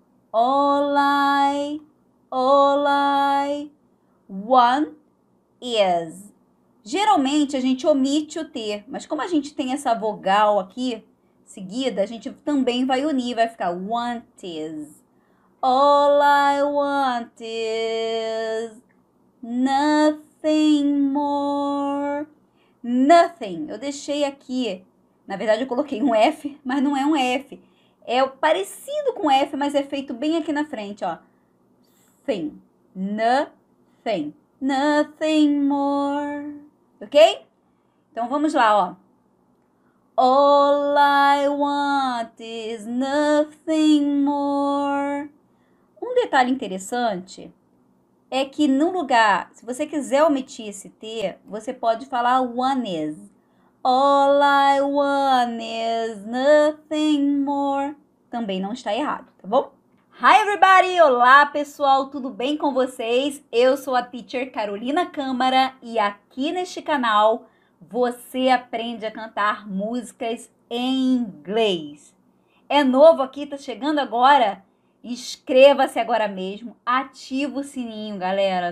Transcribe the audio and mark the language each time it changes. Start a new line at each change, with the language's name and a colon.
English: Olai, olai. One is.
Portuguese: Geralmente a gente omite o T, mas como a gente tem essa vogal aqui seguida, a gente também vai unir, vai ficar
English: want is. All I want is nothing more.
Portuguese: Nothing. Eu deixei aqui. Na verdade, eu coloquei um F, mas não é um F. É parecido com F, mas é feito bem aqui na frente, ó.
English: Thing. Nothing. Nothing more. Ok?
Portuguese: Então vamos lá, ó.
English: All I want is nothing more.
Portuguese: Um detalhe interessante é que no lugar, se você quiser omitir esse T, você pode falar one is.
English: All I want is nothing more.
Portuguese: Também não está errado, tá bom?
English: Hi everybody!
Portuguese: Olá pessoal, tudo bem com vocês? Eu sou a teacher Carolina Câmara e aqui neste canal você aprende a cantar músicas em inglês. É novo aqui, tá chegando agora? Inscreva-se agora mesmo, ativa o sininho, galera.